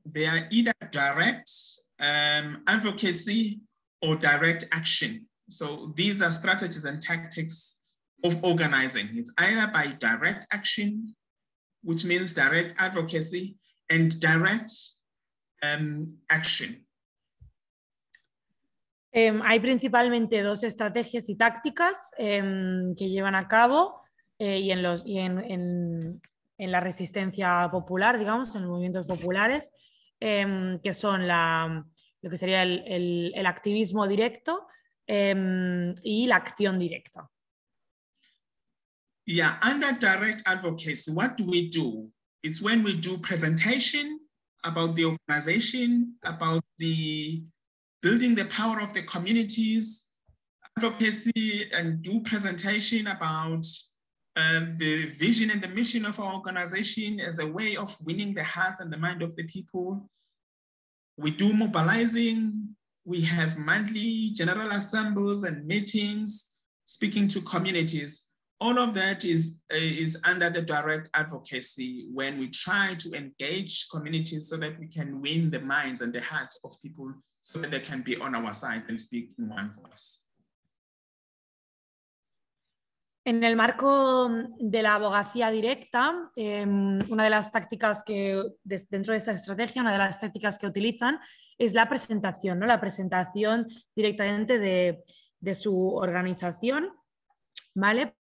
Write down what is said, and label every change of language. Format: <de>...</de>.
<en>They are either direct advocacy or direct action. So these are strategies and tactics of organizing. It's either by direct action, which means direct advocacy, and direct action.</en> <es>Hay principalmente dos estrategias y tácticas que llevan a cabo y en la resistencia popular, digamos, en los movimientos populares, que son lo que sería el activismo directo y la acción directa.</es> <en>Yeah, under direct advocacy, what do we do? It's when we do presentation about the organization, about the building the power of the communities, advocacy, and do presentation about the vision and the mission of our organization as a way of winning the hearts and the mind of the people. We do mobilizing. We have monthly general assemblies and meetings, speaking to communities. All of that is under the direct advocacy when we try to engage communities so that we can win the minds and the hearts of people so that they can be on our side and speak in one voice.</en> <es>En el marco de la abogacía directa, una de las tácticas que dentro de esta estrategia, una de las tácticas que utilizan es la presentación, ¿no? La presentación directamente de su organización, ¿vale?</es>